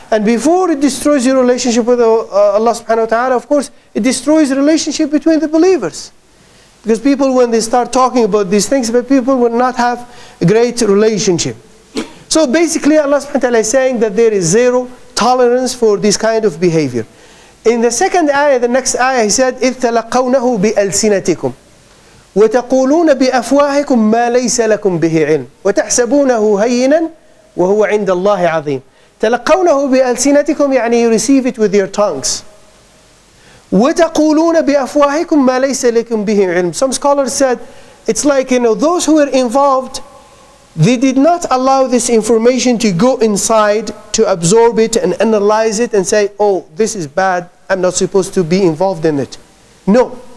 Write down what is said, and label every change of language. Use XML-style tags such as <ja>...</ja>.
<en>And before it destroys your relationship with Allah subhanahu wa ta'ala, of course, it destroys relationship between the believers. Because people, when they start talking about these things, but people will not have a great relationship. So basically Allah subhanahu wa ta'ala is saying that there is zero tolerance for this kind of behavior. In the second ayah, the next ayah, He said,</en> <ar>إِذْ تَلَقَّوْنَهُ بِأَلْسِنَتِكُمْ وَتَقُولُونَ بِأَفْوَاهِكُمْ مَا لَيْسَ لَكُمْ بِهِ عِلْمٍ وَتَحْسَبُونَهُ هَيِّنًا وَهُوَ عِنْدَ اللَّهِ عَظِيمٌ. تَلَقَّوْنَهُ بِأَلْسِنَتِكُمْ يعني</ar> <en>you receive it with your tongues.</en> <ar>وَتَقُولُونَ بِأَفْوَاهِكُمْ مَا لَيْسَ لَكُمْ بِهِ عِلْمٍ.</ar> <en>Some scholars said, it's like, you know, those who were involved, they did not allow this information to go inside to absorb it and analyze it and say, oh, this is bad, I'm not supposed to be involved in it. No.</en>